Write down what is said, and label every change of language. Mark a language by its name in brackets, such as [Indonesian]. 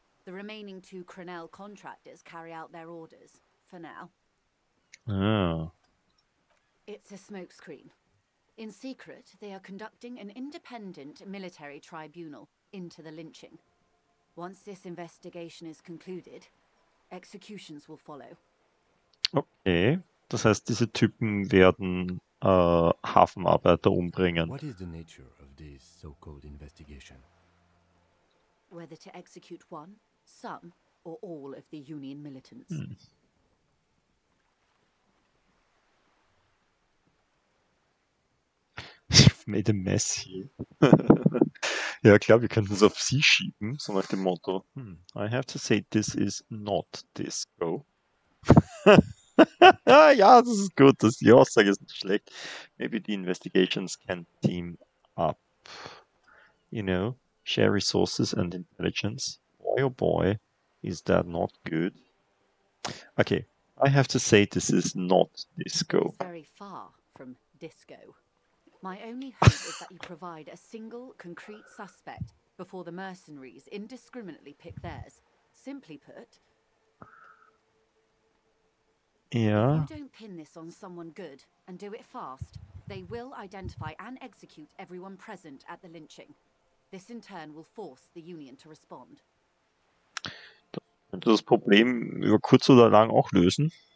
[English] The remaining two Crenel contractors carry out their orders for now. It's a smokescreen. In secret, they are conducting an independent military tribunal into the lynching. Once this investigation is concluded, executions will follow. [German] Okay, das heißt, diese Typen werden Hafenarbeiter umbringen. [English] What is the nature of this so-called investigation? Whether to execute one, some, or all of the Union militants. You've made a mess here. [German] Ja klar, wir könnten es auf sie schieben, so nach dem Motto. [English] I have to say, this is not disco. [German] Ja, das ist gut. Die Aussage ist nicht schlecht. [English] Maybe the investigations can team up. You know, share resources and intelligence. Boy, oh boy, is that not good? Okay, I have to say, this is not disco. from Disco. My only hope is that you provide a single, concrete suspect before the mercenaries indiscriminately pick theirs. Simply put... Yeah. If you don't pin this on someone good and do it fast, they will identify and execute everyone present at the lynching. This in turn will force the union to respond. [German] Das Problem über kurz oder lang auch lösen.